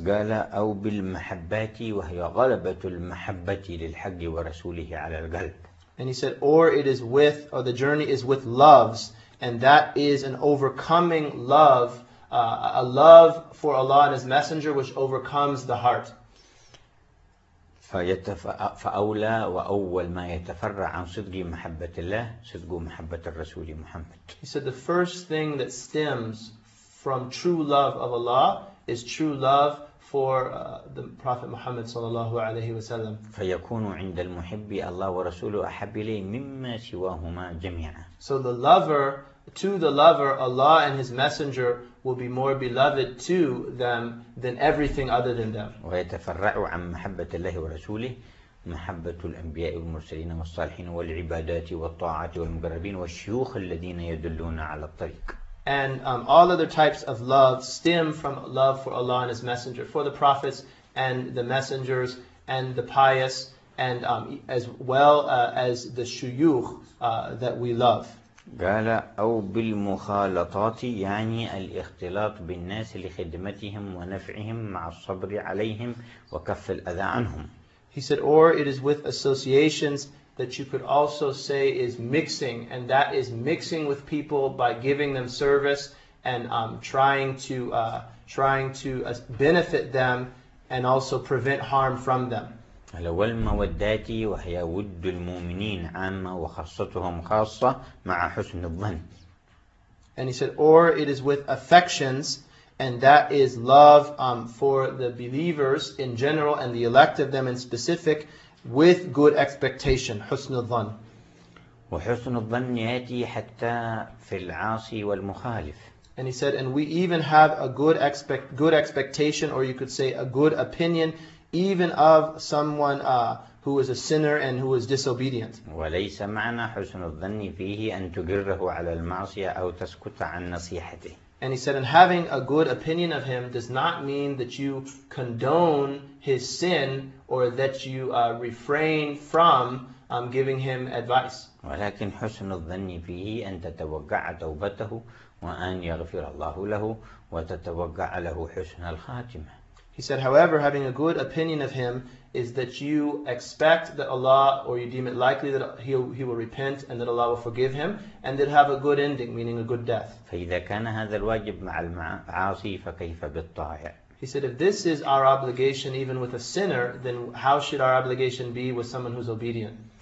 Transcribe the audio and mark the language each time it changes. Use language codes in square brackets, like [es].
[ar] قال أو بالمحبات وهي غلبة المحبة للحق ورسوله على القلب. [en] And he said, or it is with, or the journey is with loves, and that is an overcoming love, a love for Allah and His Messenger which overcomes the heart. [ar] فأولى وأول ما يتفرع عن صدق محبة الله صدق محبة الرسول محمد. [en] He said, the first thing that stems from true love of Allah is true love for the Prophet Muhammad sallallahu alayhi wa sallam. [ar] فيكون عند المحب الله ورسوله أحب إليه مما سواهما جميعا. [en] So the lover, to the lover, Allah and His Messenger will be more beloved to them than everything other than them. [ar] ويتفرع عن محبة الله ورسوله محبة الأنبياء والمرسلين والصالحين والعبادات والطاعة والمقربين والشيوخ الذين يدلون على الطريق. [en] And all other types of love stem from love for Allah and His Messenger, for the prophets and the messengers and the pious, and as well as the shuyukh that we love. [ar] قال أو بالمخالطات يعني الاختلاط بالناس لخدمتهم ونفعهم مع الصبر عليهم وكف الأذى عنهم. [en] He said, or it is with associations that you could also say is mixing, and that is mixing with people by giving them service and trying to benefit them and also prevent harm from them. [ar] الأول مودات وهي ود المؤمنين عامة وخاصتهم خاصة مع حسن الظن. [en] And he said, or it is with affections, and that is love for the believers in general and the elect of them in specific, with good expectation, حسن الظن. [ar] وحسن الظن يأتي حتى في العاصي والمخالف. [en] And he said, and we even have a good expectation, or you could say a good opinion, even of someone who is a sinner and who is disobedient. [ar] وليس معنى حسن الظن فيه أن تجره على المعصية أو تسكت عن نصيحته. [en] And he said, and having a good opinion of him does not mean that you condone his sin or that you refrain from giving him advice. [ar] ولكن حسن الظن فيه أن تتوقع توبته وأن يغفر الله له وتتوقع له حسن الخاتمة. [en] He said, however, having a good opinion of him is that you expect that Allah, or you deem it likely that he will repent and that Allah will forgive him, and that have a good ending, meaning a good death. [ar] فَإِذَا كَانَ هَذَا الْوَاجِبْ مَعَ الْعَاصِي فَكَيْفَ بِالطَّائِعِ. [en] He said, if this is our obligation even with a sinner, then how should our obligation be with someone who's obedient?